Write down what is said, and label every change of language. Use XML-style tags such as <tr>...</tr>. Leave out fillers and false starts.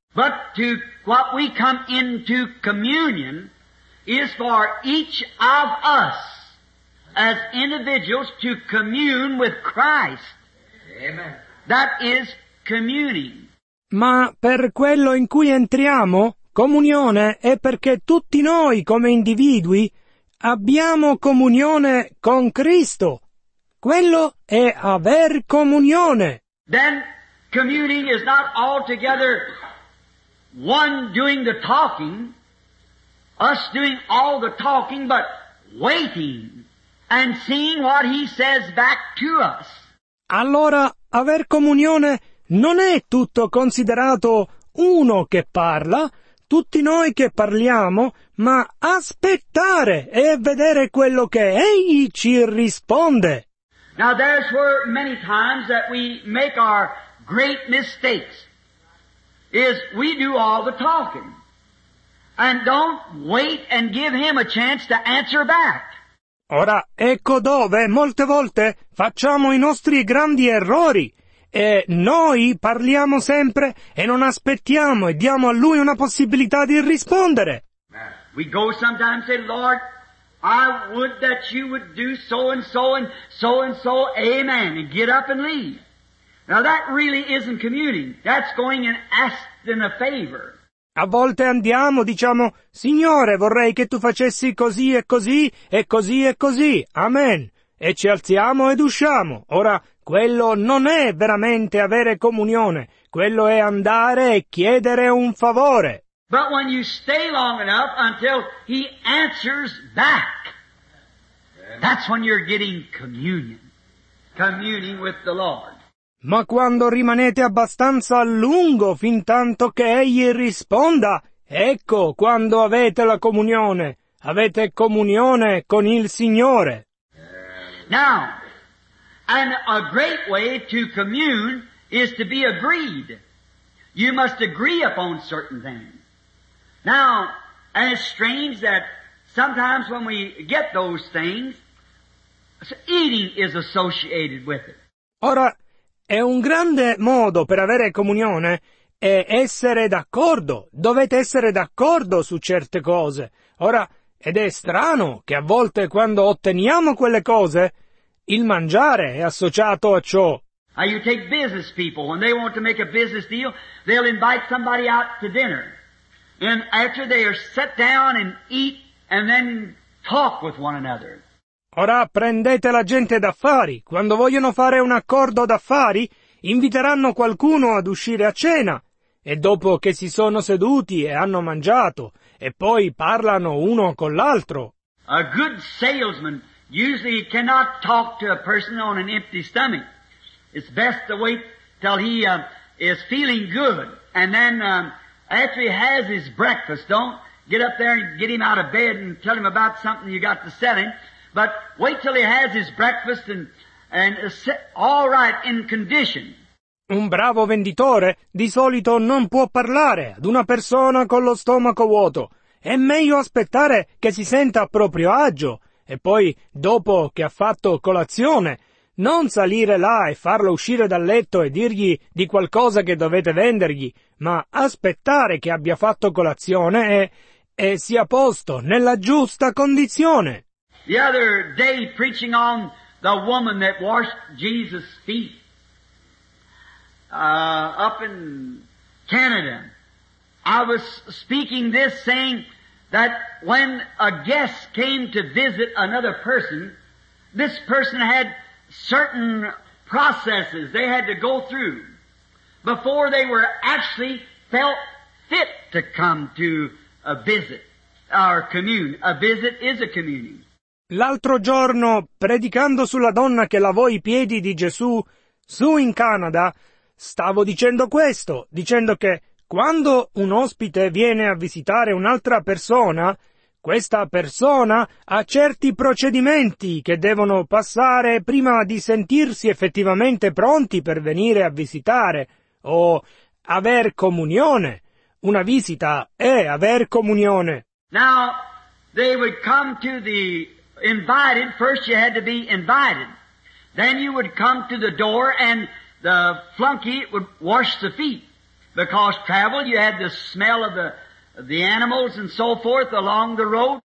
<en>But to what we come into communion is for each of us. As individuals to commune with Christ. Amen. That is communing.</en> <it>Ma per quello in cui entriamo, comunione è perché tutti noi come individui abbiamo comunione con Cristo. Quello è aver comunione.</it> <en>Then communing is not altogether one doing the talking, us doing all the talking, but waiting. And seeing what he says back to us.</en> <it>Allora, aver comunione non è tutto considerato uno che parla, tutti noi che parliamo, ma aspettare e vedere quello che egli ci risponde.</it> <en>Now there's where many times that we make our great mistakes, is we do all the talking, and don't wait and give him a chance to answer back.</en> <it>Ora, ecco dove molte volte facciamo i nostri grandi errori e noi parliamo sempre e non aspettiamo e diamo a lui una possibilità di rispondere.</it> <en>We go sometimes and say, Lord, I would that you would do so and so and so and so, amen, and get up and leave. Now that really isn't communing, that's going and asking a favor.</en> <it>A volte andiamo, diciamo, Signore, vorrei che tu facessi così e così e così e così. Amen. E ci alziamo ed usciamo. Ora, quello non è veramente avere comunione. Quello è andare e chiedere un favore.</it> <en>But when you stay long enough until he answers back, that's when you're getting communion. Communing with the Lord.</en> <it>Ma quando rimanete abbastanza a lungo fin tanto che egli risponda, ecco quando avete la comunione. Avete comunione con il Signore.</it> <en>Now, and a great way to commune is to be agreed. You must agree upon certain things. Now, and it's strange that sometimes when we get those things, eating is associated with it.</en> <it>Ora, è un grande modo per avere comunione è essere d'accordo. Dovete essere d'accordo su certe cose. Ora, ed è strano che a volte quando otteniamo quelle cose, il mangiare è associato a ciò.</it> <en>You take business people, when they want to make a business deal, they'll invite somebody out to dinner. And after they are set down and eat and then talk with one another.</en> <it>Ora prendete la gente d'affari. Quando vogliono fare un accordo d'affari, inviteranno qualcuno ad uscire a cena. E dopo che si sono seduti e hanno mangiato, e poi parlano uno con l'altro.</it> <en>A good salesman usually cannot talk to a person on an empty stomach. It's best to wait till he is feeling good. And then after he has his breakfast, don't get up there and get him out of bed and tell him about something you got to sell him. But wait till he has his breakfast and is all right in condition.</en> <it>Un bravo venditore di solito non può parlare ad una persona con lo stomaco vuoto. È meglio aspettare che si senta a proprio agio. E poi, dopo che ha fatto colazione, non salire là e farlo uscire dal letto e dirgli di qualcosa che dovete vendergli, ma aspettare che abbia fatto colazione e sia posto nella giusta condizione.</it> <en>The other day, preaching on the woman that washed Jesus' feet up in Canada, I was speaking this, saying that when a guest came to visit another person, this person had certain processes they had to go through before they were actually felt fit to come to a visit, or commune. A visit is a communion.</en> <it>L'altro giorno, predicando sulla donna che lavò i piedi di Gesù su in Canada, stavo dicendo questo, dicendo che quando un ospite viene a visitare un'altra persona, questa persona ha certi procedimenti che devono passare prima di sentirsi effettivamente pronti per venire a visitare o aver comunione. Una visita è aver comunione.</it> <en>Now, they would come to the invited, first you had to be invited. Then you would come to the door and the flunky would wash the feet. Because travel, you had the smell of the animals and so forth along the road.</en>